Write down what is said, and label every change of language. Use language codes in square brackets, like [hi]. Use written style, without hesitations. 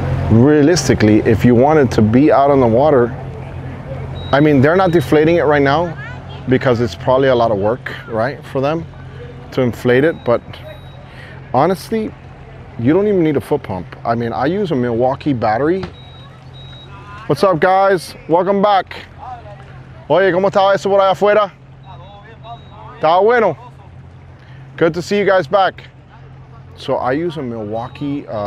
[en] Realistically, if you wanted to be out on the water, I mean, they're not deflating it right now because it's probably a lot of work, right, for them to inflate it. But honestly, you don't even need a foot pump. I mean, I use a Milwaukee battery. What's up, guys? Welcome back. [es] Oye, ¿cómo está eso por allá afuera? Está bueno. [en] Good to see you guys back. So I use a Milwaukee